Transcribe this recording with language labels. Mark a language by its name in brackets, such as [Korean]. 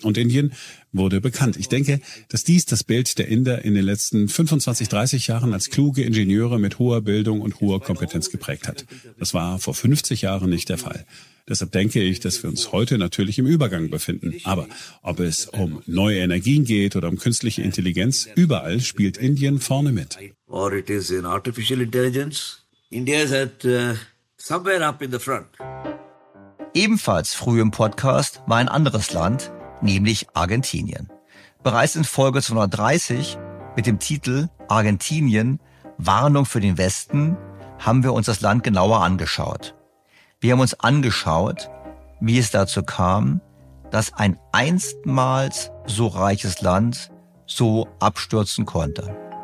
[German] Und Indien wurde bekannt. Ich denke, dass dies das Bild der Inder in den letzten 25, 30 Jahren als kluge Ingenieure mit hoher Bildung und hoher Kompetenz geprägt hat. Das war vor 50 Jahren nicht der Fall. Deshalb denke ich, dass wir uns heute natürlich im Übergang befinden. Aber ob es um neue Energien geht oder um künstliche Intelligenz, überall spielt Indien vorne mit. [English] Or it is in artificial intelligence. India is at somewhere up in the front. [German] Ebenfalls früh im Podcast war ein anderes Land, nämlich Argentinien. Bereits in Folge 230 mit dem Titel Argentinien – Warnung für den Westen haben wir uns das Land genauer angeschaut. Wir haben uns angeschaut, wie es dazu kam, dass ein einstmals so reiches Land so abstürzen konnte.